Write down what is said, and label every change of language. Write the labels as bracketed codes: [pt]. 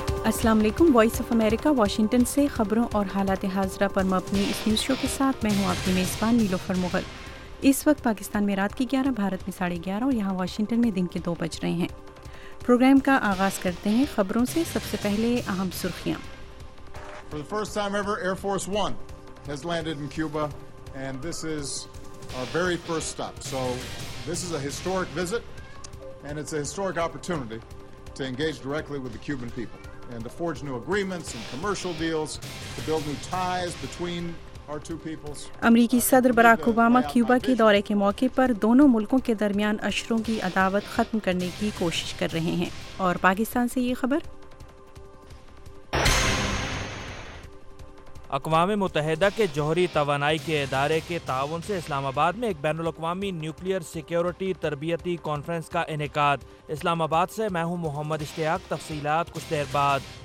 [ur] السلام علیکم، voice of America Washington سے خبروں اور حالات حاضرہ پر مبنی اس نیوز شو کے ساتھ میں ہوں آپ کی میزبان نیلوفر مغل۔ اس وقت پاکستان میں رات کی 11، بھارت میں 11:30 اور یہاں واشنگٹن میں دن کے 2 بج رہے ہیں۔ پروگرام کا آغاز کرتے ہیں خبروں سے۔ سب سے پہلے اہم سرخیاں۔ [en] For the first time ever, Air Force One has landed in Cuba, and this is our very first stop. So this is a historic visit, and it's a historic opportunity to engage directly with the Cuban people and to forge new agreements and commercial deals to build new ties between our two peoples. [ur] امریکی صدر Barack Obama Cuba کے دورے کے موقع پر دونوں ملکوں کے درمیان اشروں کی عداوت ختم کرنے کی کوشش کر رہے ہیں۔ اور پاکستان سے یہ خبر۔ اقوام متحدہ کے جوہری توانائی کے ادارے کے تعاون سے اسلام آباد میں ایک بین الاقوامی نیوکلیئر سیکیورٹی تربیتی کانفرنس کا انعقاد۔ اسلام آباد سے میں ہوں محمد اشتیاق، تفصیلات کچھ دیر بعد۔